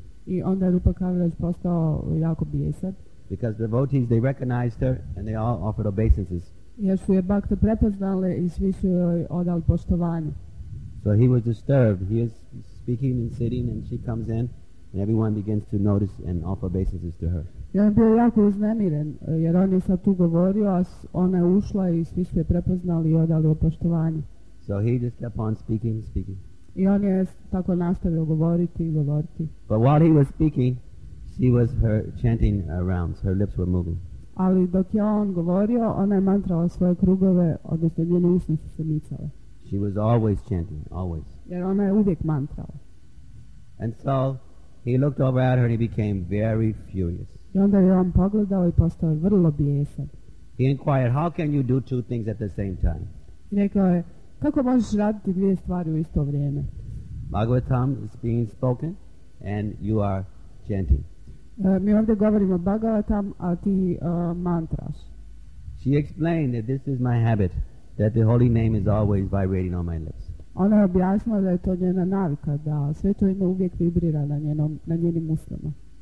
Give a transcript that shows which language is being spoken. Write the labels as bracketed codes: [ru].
[hr] I onda Rupa Kaviraj postao jako bijesan. [en] Because the devotees, they recognized her and they all offered obeisances. [hr] Jer su je bhakta prepoznali i svi su joj odali poštovanje. [en] So he was disturbed. He is speaking and sitting and she comes in and everyone begins to notice and offer obeisances to her. [hr] Ja je bio jako uznemiren jer on je sad tu govorio, a ona je ušla i svi su je prepoznali i odali poštovanje. [en] So he just kept on speaking and speaking. [hr] I on je tako nastavio govoriti i govoriti. [en] But while he was speaking, she was her chanting rounds, her lips were moving. [hr] Ali dok je on govorio, ona je mantrala svoje krugove, odnosno njene usne su se micale. [en] She was always chanting, always. [hr] Jer ona je uvijek mantrala. [en] And so he looked over at her and he became very furious. [hr] I onda je on pogledao i postao vrlo bijesan. [en] He inquired, how can you do two things at the same time? [hr] I rekao je, kako možeš raditi dvije stvari u isto vrijeme? [en] Bhagavatam is being spoken and you are chanting. [hr] Mi ovdje govorimo Bhagavatam, a ti mantraš. [en] She explained that this is my habit, that the holy name is always vibrating on my lips. [hr] Ona je objasnila da je to njena navika, da sveto ime uvijek vibrira na njenim uslama.